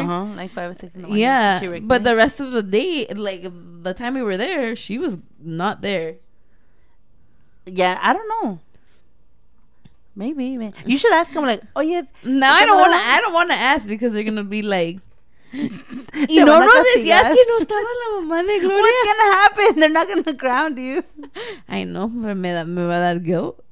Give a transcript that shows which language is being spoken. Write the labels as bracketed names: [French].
[English] Uh-huh, like, 5 or 6 in the morning. Yeah, but the rest of the day, like, the time we were there, she was not there. Yeah, I don't know. Maybe. You should ask them, like, oh, yeah. Now, I don't want to ask, because they're going to be, like... [Spanish] Y no nos decías que no estaba la mamá de Gloria. [English] What's gonna happen? They're not gonna ground you. I know, but [Spanish] me va a dar [English] guilt.